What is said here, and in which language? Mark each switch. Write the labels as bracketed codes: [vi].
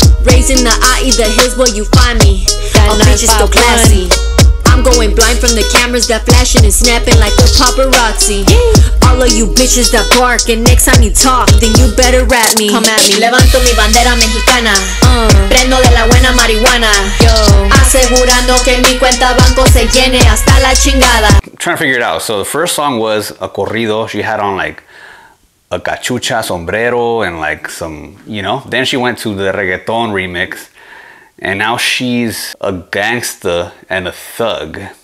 [en] Raising the IE, the hills where you find me. All bitches so classy. I'm going blind from the cameras that flashing and snapping like a paparazzi. All of you bitches that bark, and next time you talk, then you better rap me. Come at me. [es] Levanto mi bandera mexicana. Prendo de la buena marihuana. Yo. Asegurando que mi cuenta banco se llene hasta la chingada. [en] Trying to figure it out. So the first song was a corrido. She had on like a cachucha sombrero and like some, you know. Then she went to the reggaeton remix. And now she's a gangsta and a thug.